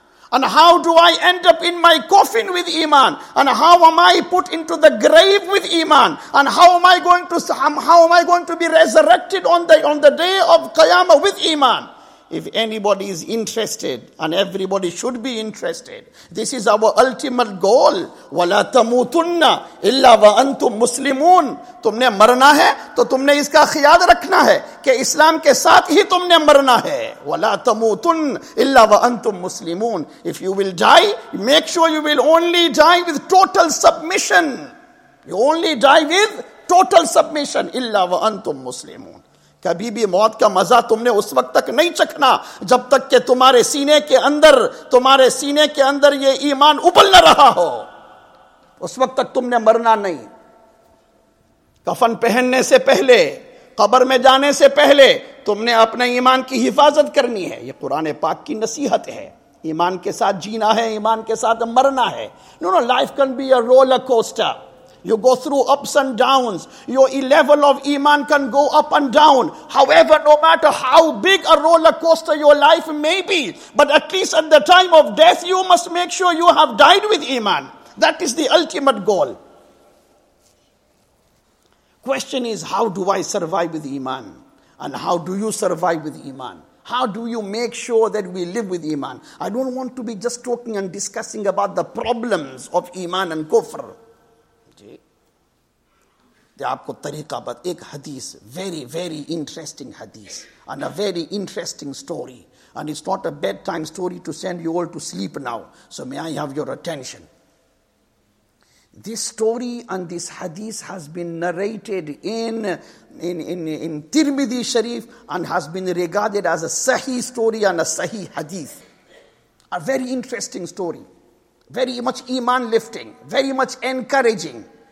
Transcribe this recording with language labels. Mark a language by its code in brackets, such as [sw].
[en] And how do I end up in my coffin with iman? And how am I put into the grave with iman? And how am I going to be resurrected on the day of Qiyamah with iman? If anybody is interested, and everybody should be interested, this is our ultimate goal. [ar] وَلَا تَمُوتُنَّ إِلَّا وَأَنْتُمْ مُسْلِمُونَ. [ur] تم نے مرنا ہے تو تم نے اس کا خیال رکھنا ہے کہ اسلام کے ساتھ ہی تم نے مرنا ہے. [ar] وَلَا تَمُوتُنَّ إِلَّا وَأَنْتُمْ مُسْلِمُونَ. [en] If you will die, make sure you will only die with total submission. You only die with total submission. [ar] إِلَّا وَأَنْتُمْ مُسْلِمُونَ. [ur] کبھی بھی موت کا مزہ تم نے اس وقت تک نہیں چکھنا جب تک کہ تمہارے سینے کے اندر یہ ایمان ابل نہ رہا ہو. اس وقت تک تم نے مرنا نہیں. کفن پہننے سے پہلے, قبر میں جانے سے پہلے تم نے اپنے ایمان کی حفاظت کرنی ہے. یہ قرآن پاک کی نصیحت ہے. ایمان کے ساتھ جینا ہے, ایمان کے ساتھ مرنا ہے. [en] No, life can be a roller coaster. You go through ups and downs. Your level of iman can go up and down. However, no matter how big a roller coaster your life may be, but at least at the time of death, you must make sure you have died with iman. That is the ultimate goal. Question is, how do I survive with iman? And how do you survive with iman? How do you make sure that we live with iman? I don't want to be just talking and discussing about the problems of iman and kufr. [ur] آپ کو طریقہ بت, [en] ایک حدیث, very very interesting حدیث and a very interesting story, and it's not a bad time story to send you all to sleep now, so may I have your attention. This story and this حدیث has been narrated in Tirmidhi Sharif and has been regarded as a صحیح story and a صحیح حدیث. A very interesting story, very much ایمان lifting, very much encouraging.